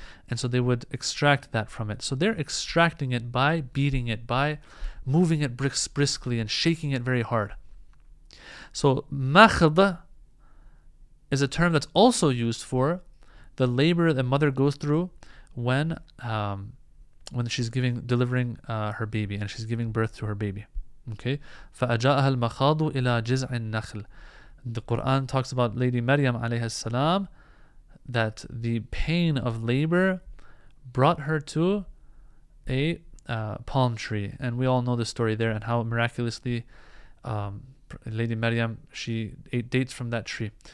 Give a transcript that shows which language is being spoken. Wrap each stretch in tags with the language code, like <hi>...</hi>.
<en>And so they would extract that from it. So they're extracting it by beating it, by moving it briskly and shaking it very hard. So makhd is a term that's also used for the labor that mother goes through when she's delivering her baby and she's giving birth to her baby.</en> <ar>Okay, فَأَجَاءَهَا الْمَخَاضُ إِلَىٰ جِزْعِ النَّخْلِ.</ar> <en>The Quran talks about Lady Maryam alayhi salam, that the pain of labor brought her to a palm tree, and we all know the story there and how miraculously Lady Maryam, she ate dates from that tree.</en>